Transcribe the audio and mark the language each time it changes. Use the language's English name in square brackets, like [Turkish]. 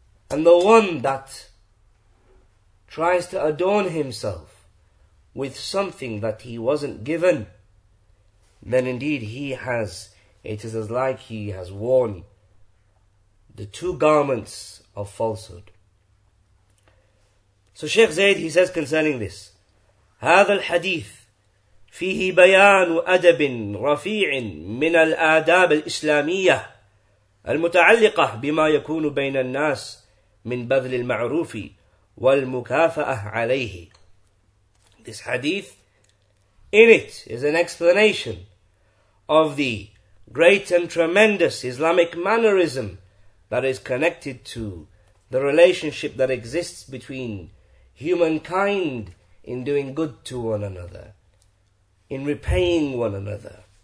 [English] And the one that tries to adorn himself with something that he wasn't given, then indeed it is as like he has worn the two garments of falsehood. So Sheikh Zayd, he says concerning this, [Arabic] هذا الحديث فيه بيان أدب رفيع من الآداب الإسلامية المتعلقة بما يكون بين الناس من بذل المعروف والمكافأة عليه. [English] This hadith, in it is an explanation of the great and tremendous Islamic mannerism that is connected to the relationship that exists between humankind in doing good to one another, in repaying one another.